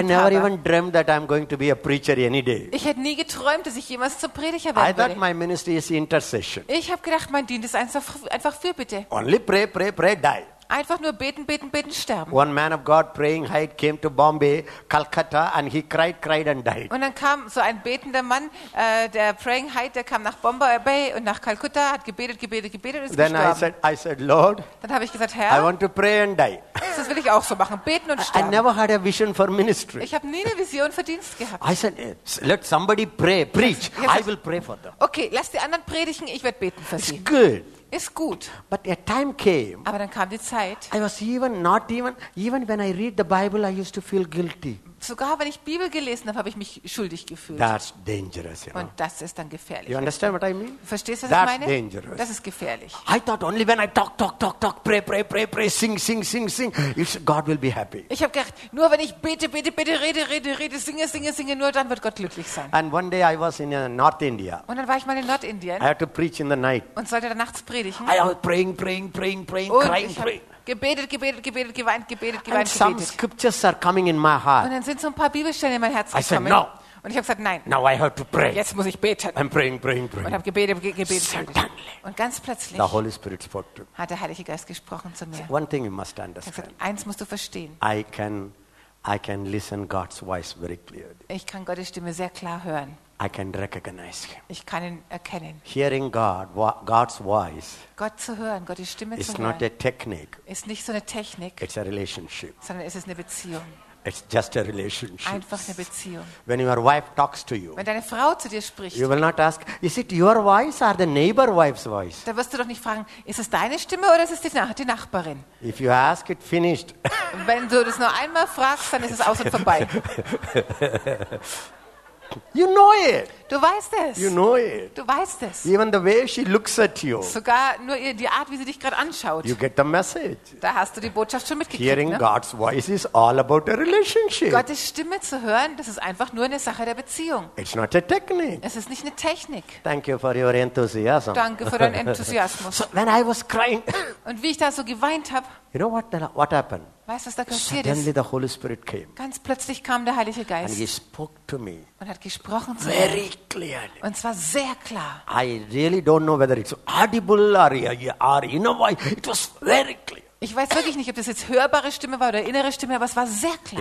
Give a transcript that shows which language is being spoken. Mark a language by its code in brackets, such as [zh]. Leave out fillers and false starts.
[en] I never even dreamt that I'm going to be a preacher any day. [de] Ich hätte nie geträumt, dass ich jemals zum Prediger werden würde. [en] I thought my ministry is intercession. [de] Ich habe gedacht, mein Dienst ist einfach Fürbitte. [en] Only pray, pray, pray, die. [de] Einfach nur beten, beten, beten, sterben. [en] One man of God praying high came to Bombay, Calcutta, and he cried and died. [de] Und dann kam so ein betender Mann, der praying high, der kam nach Bombay und nach Calcutta, hat gebetet und ist [en] Then [de] gestorben. [en] I said, Lord. [de] Dann habe ich gesagt, Herr. [en] I want to pray and die. [de] Das will ich auch so machen, beten und sterben. [en] I never had a vision for ministry. [de] Ich habe nie eine Vision für Dienst gehabt. [en] I said, let somebody pray, preach. I will pray for them. [de] Okay, lass die anderen predigen, ich werde beten für [en] It's [de] sie. [en] It's good. [de] Ist gut. [en] But a time came. [de] Aber dann kam die Zeit. [en] I was even when I read the Bible, I used to feel guilty. [de] Sogar wenn ich Bibel gelesen habe, habe ich mich schuldig gefühlt. [en] That's dangerous, you know? [de] Und das ist dann gefährlich. [en] You understand what I mean? [de] Verstehst du, was [en] That's [de] ich meine? [en] Dangerous. [de] Das ist gefährlich. [en] I thought only when I talk, pray, sing, God will be happy. [de] Ich habe gedacht, nur wenn ich bete, rede, singe, nur dann wird Gott glücklich sein. [en] And one day I was in North India. [de] Und dann war ich mal in Nordindien. [en] I had to preach in the night. [de] Und sollte dann nachts predigen. [en] I was praying, und crying, praying. [de] Gebetet, geweint. [en] And some scriptures are coming in my heart. [de] Und dann sind so ein paar Bibelstellen in mein Herz [en] I [de] gekommen. [en] Said, no. [de] Und ich habe gesagt, nein. [en] Now I have to pray. [de] Jetzt muss ich beten. [en] I'm praying, praying, praying. [de] Und habe gebetet. [en] Suddenly. [de] Und ganz plötzlich [en] the Holy Spirit spoke to me. [de] Hat der Heilige Geist gesprochen zu mir. [en] One thing you must understand. [de] Ich habe gesagt, eins musst du verstehen. [en] I can listen God's voice very clearly. [de] Ich kann Gottes Stimme sehr klar hören. [en] I can recognize him. [de] Ich kann ihn erkennen. [en] Hearing God, God's voice. [de] Gott zu hören, Gottes Stimme [en] is [de] zu [en] not [de] hören. [en] A technique. [de] Ist nicht so eine Technik. [en] It's a relationship. [de] Sondern es ist eine Beziehung. [en] It's just a relationship. [de] Einfach eine Beziehung. [en] When your wife talks to you. [de] Wenn deine Frau zu dir spricht. [en] You will not ask, is it your voice or the neighbor wife's voice? [de] Da wirst du doch nicht fragen, ist es deine Stimme oder ist es die Nachbarin? [en] If you ask it finished. [de] Wenn du das nur einmal fragst, dann ist es aus und vorbei. [en] You know it. [de] Du weißt es. [en] You know it. [de] Du weißt es. [en] Even the way she looks at you. [de] Sogar nur die Art, wie sie dich gerade anschaut. [en] You get the message. [de] Da hast du die Botschaft schon mitgekriegt. [en] Hearing [de] ne? [en] God's voice is all about a relationship. [de] Gottes Stimme zu hören, das ist einfach nur eine Sache der Beziehung. [en] It's not a technique. [de] Es ist nicht eine Technik. [en] Thank you for your enthusiasm. [de] Danke für deinen Enthusiasmus. [en] So when I was crying. [de] Und wie ich da so geweint habe. [en] You know what happened? [de] Weißt du, was da passiert [en] Suddenly [de] ist? [en] Suddenly the Holy Spirit came. [de] Ganz plötzlich kam der Heilige Geist. [en] And he spoke to me. [de] Und hat gesprochen zu [en] Very [de] mir. [en] Clearly. [de] Und zwar sehr klar. [en] I really don't know whether it's audible or you know why. It was very clear. [de] Ich weiß wirklich nicht, ob das jetzt hörbare Stimme war oder innere Stimme, aber es war sehr klar.